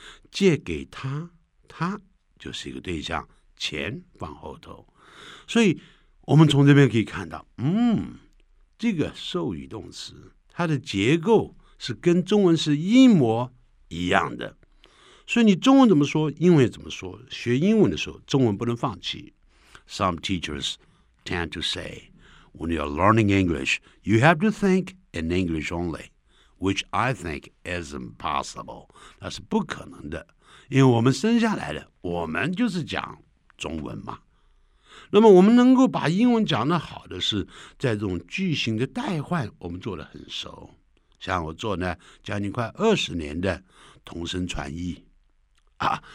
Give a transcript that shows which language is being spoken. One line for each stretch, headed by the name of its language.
Chinese: 借给他，他就是一个对象，钱放后头。所以我们从这边可以看到，这个授予动词它的结构是跟中文是一模一样的。所以你中文怎么说，英文怎么说，学英文的时候中文不能放弃。
English: Some teachers tend to say when you're learning English you have to think in English only, which I think is impossible.
Chinese: 那是不可能的，因为我们生下来的我们就是讲中文嘛。那么我们能够把英文讲得好的是在这种句型的代换我们做得很熟，像我做呢将近快20年的同声传译啊。